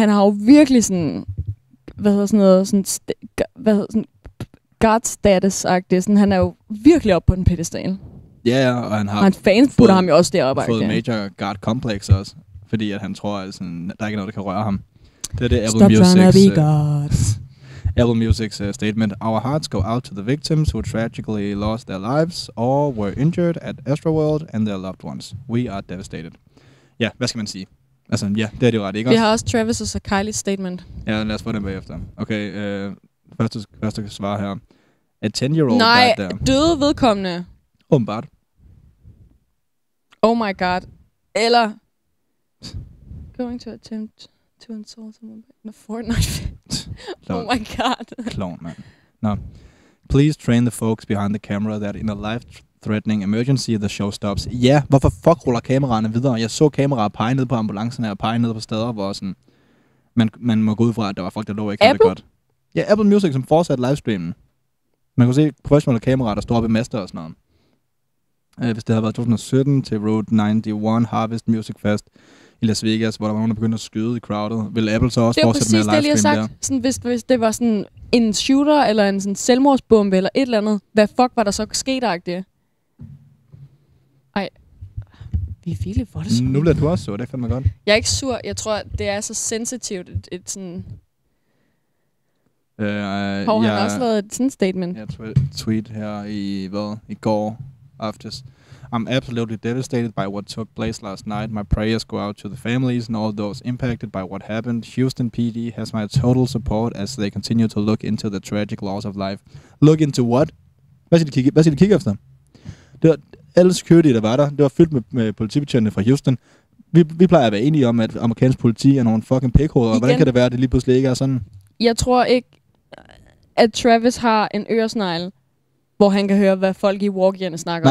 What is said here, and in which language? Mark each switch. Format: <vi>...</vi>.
<da>Han har jo virkelig sådan, hvad hedder sådan noget, guard status-agtigt. Han er jo virkelig oppe på den pedestal. Ja, ja, og han har og fans fået, putter ham jo også deroppe. Han har fået major guard complex også, fordi at han tror, at sådan, der er ikke noget, der kan røre ham. Det er det Apple Stop</da> <en>Music's, trying to be God. Apple Music's statement. Our hearts go out to the victims who tragically lost their lives or were injured at AstroWorld and their loved ones. We are devastated.</en> <da>Ja, hvad skal man sige? Altså, ja, det er det jo ret, ikke også? Vi har også Travis' og Kylie's statement. Ja, lad os få den bagefter. Okay, første svar her.</da> <en>A 10-year-old</en> <da>Nej,</da> <en>died there.</en> <da>Døde vedkommende. Åbenbart.</da> <en>Oh my god. Eller. Going to attempt to insult someone in a Fortnite. Oh my god. Clown, man. No. Please train the folks behind the camera that in a life-threatening emergency the show stops.</en> <da>Ja, hvorfor fuck ruller kameraerne videre? Jeg så kameraer pege ned på ambulancerne og pege ned på steder, hvor sådan. Man må gå ud fra, at der var folk, der lå ikke helt godt. Ja, Apple Music, som fortsatte livestreamen. Man kunne se professionelle kameraer, der står oppe i master og sådan noget. Hvis det havde været 2017 til Road 91 Harvest Music Fest i Las Vegas, hvor der var nogen, der begyndte at skyde i crowded, ville Apple så også fortsætte med at livestream der? Det er præcis det, jeg lige har sagt. Hvis det var sådan en shooter eller en sådan selvmordsbombe eller et eller andet, hvad fuck var der så sket-agtigt? Ej, vi er virkelig voldsomt. Nu bliver du også sur, det er fandme godt. Jeg er ikke sur, jeg tror, det er så sensitivt et sådan. Hvor har han også lavet sådan en statement? Jeg tweet her i går.</da> <en>I'm absolutely devastated by what took place last night. My prayers go out to the families and all those impacted by what happened. Houston PD has my total support as they continue to look into the tragic loss of life. Look into what?</en> <da>Hvad skal de kigge efter? Det var alle security, der var der. Det var fyldt med politibetjente fra Houston. Vi plejer at være enige om, at amerikansk politi er nogle fucking pikhoveder. Hvordan kan det være, at det lige pludselig ikke er sådan? Jeg tror ikke, at Travis har en øresnegl, hvor han kan høre, hvad folk i walkierne snakker om.</da>